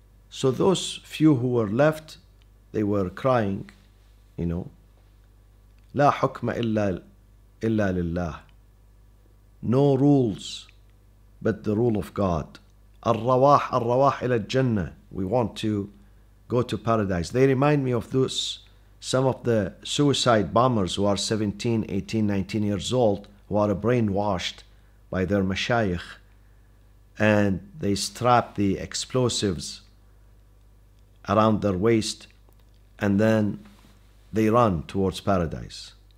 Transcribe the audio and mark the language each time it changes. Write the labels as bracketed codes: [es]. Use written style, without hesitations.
[en] So those few who were left, they were crying, you know, [ar] لَا حُكْمَ إِلَّا لِلَّهِ. [en] No rules but the rule of God. [ar] الرواح, الرواح إلى الجنة. [en] We want to go to paradise. They remind me of those, some of the suicide bombers who are 17, 18, 19 years old, who are brainwashed by their mashayikh, and they strap the explosives around their waist, and then they run towards paradise.